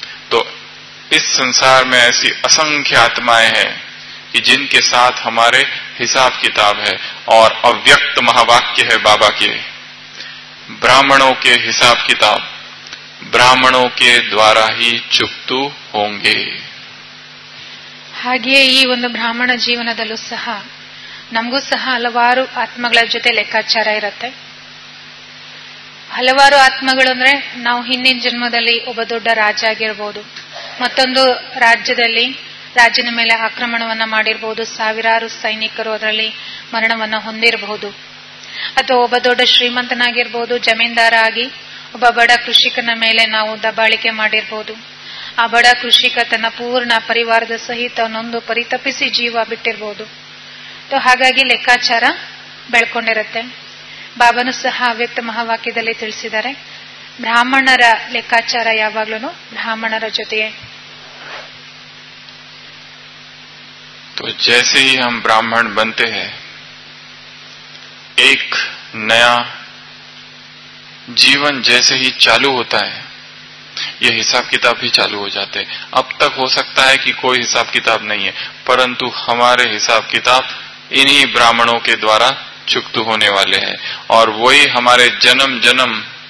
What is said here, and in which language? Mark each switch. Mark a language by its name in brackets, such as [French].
[Hindi] तो इस संसार में ऐसी असंख्य आत्माएं हैं कि जिनके साथ हमारे हिसाब किताब है, और अव्यक्त महावाक्य है बाबा के, ब्राह्मणों के हिसाब किताब ब्राह्मणों के द्वारा ही चुप्तु होंगे। [Kannada] ಹಾಗೆ ಈ ಒಂದು ಬ್ರಾಹ್ಮಣ ಜೀವನದಲ್ಲೂ ಸಹ ನಮಗೂ ಸಹ ಹಲವಾರು ಆತ್ಮಗಳ ಜೊತೆ ಲೆಕ್ಕಾಚಾರ ಇರುತ್ತೆ. ಹಲವಾರು ಆತ್ಮಗಳು ಅಂದ್ರೆ ನಾವು ಹಿಂದಿನ ಜನ್ಮದಲ್ಲಿ ಒಬ್ಬ ದೊಡ್ಡ ರಾಜ ಆಗಿರಬಹುದು, ಮತ್ತೊಂದು ರಾಜ್ಯದಲ್ಲಿ ರಾಜನ ಮೇಲೆ ಆಕ್ರಮಣವನ್ನ ಮಾಡಿರಬಹುದು, ಸಾವಿರಾರು ಸೈನಿಕರು ಅದರಲ್ಲಿ ಮರಣವನ್ನ ಹೊಂದಿರಬಹುದು, ಅಥವಾ ಒಬ್ಬ ದೊಡ್ಡ ಶ್ರೀಮಂತನಾಗಿರಬಹುದು, ಜಮೀನ್ದಾರ ಆಗಿ ಒಬ್ಬ ಬಡ ಕೃಷಿಕನ ಮೇಲೆ ನಾವು ದಬ್ಬಾಳಿಕೆ ಮಾಡಿರಬಹುದು, ಆ ಬಡ ಕೃಷಿಕ ತನ್ನ ಪೂರ್ಣ ಪರಿವಾರದ ಸಹಿತ ಒಂದು ಪರಿತಪಿಸಿ ಜೀವ ಬಿಟ್ಟಿರಬಹುದು. ಹಾಗಾಗಿ ಲೆಕ್ಕಾಚಾರ ಬೆಳ್ಕೊಂಡಿರುತ್ತೆ. ಬಾಬನು ಸಹ ಅವ್ಯಕ್ತ ಮಹಾವಾಕ್ಯದಲ್ಲಿ ತಿಳಿಸಿದ್ದಾರೆ, ಬ್ರಾಹ್ಮಣರ ಲೆಕ್ಕಾಚಾರ ಯಾವಾಗ್ಲೂ ಬ್ರಾಹ್ಮಣರ ಜೊತೆಯೇ. [Hindi] तो जैसे ही हम ब्राह्मण बनते हैं, एक नया जीवन जैसे ही चालू होता है, ये हिसाब किताब भी चालू हो जाते हैं। अब तक हो सकता है कि कोई हिसाब किताब नहीं है, परंतु हमारे हिसाब किताब इन्हीं ब्राह्मणों के द्वारा चुक्त होने वाले हैं, और वही हमारे जन्म जन्म